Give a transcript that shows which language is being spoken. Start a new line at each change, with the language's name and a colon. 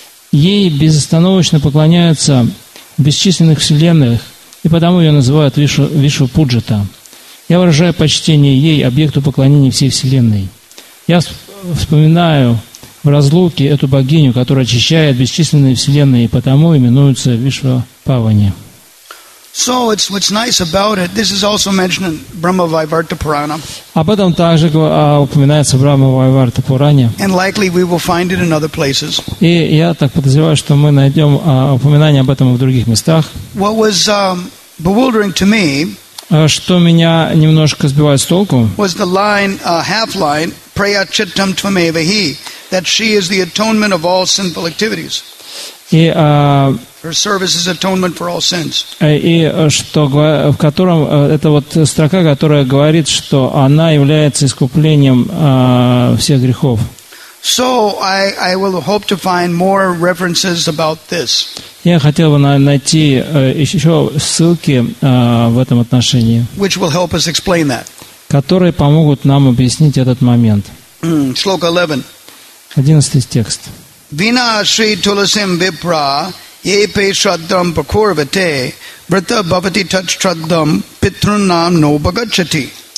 Russian: Ей безостановочно поклоняются в бесчисленных вселенных, и потому ее называют Вишва Пуджита. Я выражаю почтение ей, объекту поклонения всей вселенной. Я вспоминаю в разлуке эту богиню, которая очищает бесчисленные вселенные, и потому именуется Вишва Павани.
English: So it's what's nice about it. This is also mentioned in Brahma Vaivarta Purana.
Russian: Об этом также упоминается в Брахма Вайварта Пуране.
English: And likely we will find it in other places.
Russian: И я так подозреваю, что мы найдем упоминание об этом в других местах.
English: What was bewildering to me?
Russian: Что меня немножко сбивает с толку?
English: Was the line half line
Sanskrit: Praya Chittam Tvamevahi
English: that she is the atonement of all sinful activities.
Russian: И
English: her service is atonement for all sins.
Russian: И что в котором это вот строка, которая говорит, что она является искуплением всех грехов.
English: So I will hope to find more references about this.
Russian: Я хотел бы найти еще ссылки в этом отношении,
English: which will help us explain that.
Russian: Которые помогут нам объяснить этот момент.
English: Shloka 11.
Russian: 11 текст.
Sanskrit: Vina Shri Tulasim Vipra Epe Shraddham Prakurvate Vrita Bhavati Tat Shraddham Pitrunam No Bhagachati.